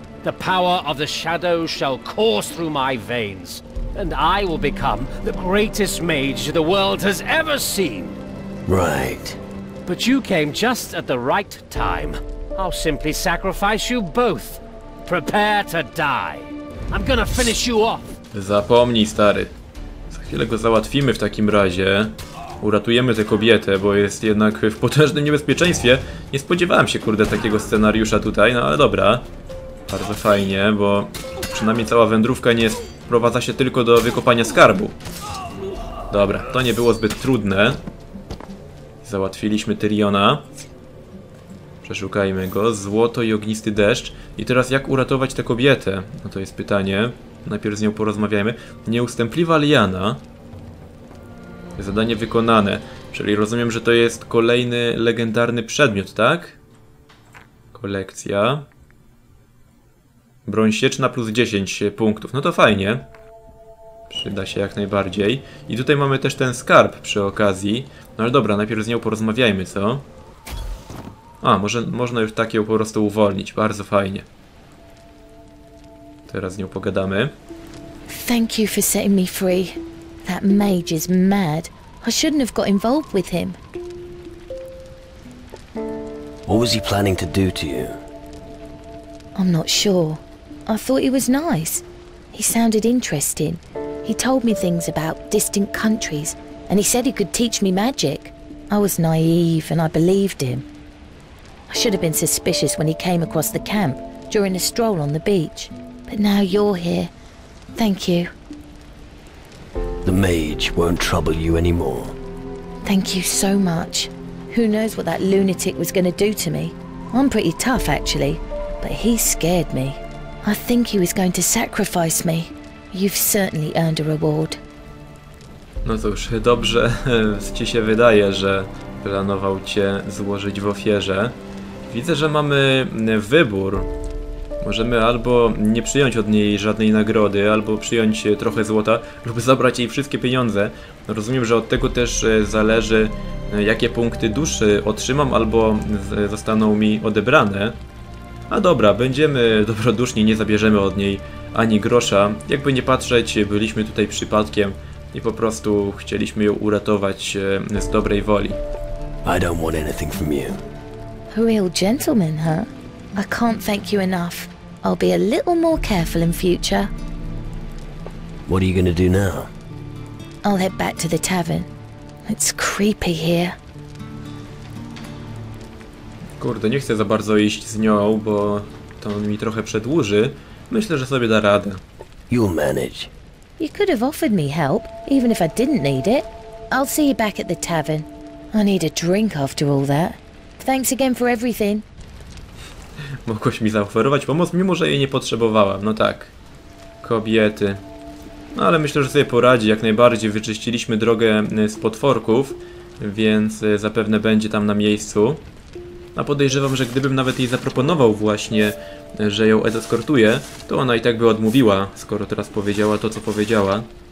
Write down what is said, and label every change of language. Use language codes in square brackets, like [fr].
[en] The power of the shadow shall course through my veins and I will become the greatest mage the world has ever seen. Right. But you came just at the right time. I'll simply sacrifice you both. Prepare to die. I'm gonna finish you off. [pl] Zapomnij, stary. Za chwilę go załatwimy w takim razie. Uratujemy tę kobietę, bo jest jednak w potężnym niebezpieczeństwie. Nie spodziewałem się, kurde, takiego scenariusza tutaj, no ale dobra. Bardzo fajnie, bo przynajmniej cała wędrówka nie sprowadza się tylko do wykopania skarbu. Dobra, to nie było zbyt trudne. Załatwiliśmy Tyriona. Przeszukajmy go. Złoto i ognisty deszcz. I teraz jak uratować tę kobietę? No to jest pytanie. Najpierw z nią porozmawiajmy. Nieustępliwa liana. Zadanie wykonane. Czyli rozumiem, że to jest kolejny legendarny przedmiot, tak? Kolekcja. Broń sieczna plus 10 punktów. No to fajnie. Przyda się jak najbardziej. I tutaj mamy też ten skarb przy okazji. No ale dobra, najpierw z nią porozmawiajmy, co? A, może można już tak ją po prostu uwolnić. Bardzo fajnie. Teraz z nią pogadamy. [en] Thank you for setting me free. That mage is mad. I shouldn't have got involved with him. What was he planning to do to you? I'm not sure. I thought he was nice. He sounded interesting. He told me things about distant countries. And he said he could teach me magic. I was naive and I believed him. I should have been suspicious when he came across the camp during a stroll on the beach. But now you're here. Thank you. The mage won't trouble you anymore. Thank you so much. Who knows what that lunatic was going to do to me? I'm pretty tough, actually. But he scared me. I think he was going to sacrifice me. You've certainly earned a reward. [pl] No cóż, dobrze ci się wydaje, że planował cię złożyć w ofierze. Widzę, że mamy wybór. Możemy albo nie przyjąć od niej żadnej nagrody, albo przyjąć trochę złota, lub zabrać jej wszystkie pieniądze. Rozumiem, że od tego też zależy, jakie punkty duszy otrzymam, albo zostaną mi odebrane. A dobra, będziemy dobroduszni, nie zabierzemy od niej ani grosza. Jakby nie patrzeć, byliśmy tutaj przypadkiem. I po prostu chcieliśmy ją uratować z dobrej woli. [en] I don't want anything from you. Real gentleman, huh? I can't thank you enough. I'll be a little more careful in future. What are you gonna do now? I'll head back to the tavern. It's creepy here. [pl] Kurde, nie chcę za bardzo iść z nią, bo to mi trochę przedłuży. Myślę, że sobie da radę. [en] You'll manage. You could have offered me help, even if I didn't need it. I'll see you back at the tavern. I need a drink after all that. Thanks again for everything. [pl] Mogłeś mi zaoferować pomoc, mimo że jej nie potrzebowałam. No tak. Kobiety. No ale myślę, że sobie poradzi. Jak najbardziej wyczyściliśmy drogę z potworków, więc zapewne będzie tam na miejscu. a podejrzewam, że gdybym nawet jej zaproponował właśnie, że ją eskortuję, to ona i tak by odmówiła, skoro teraz powiedziała to, co powiedziała.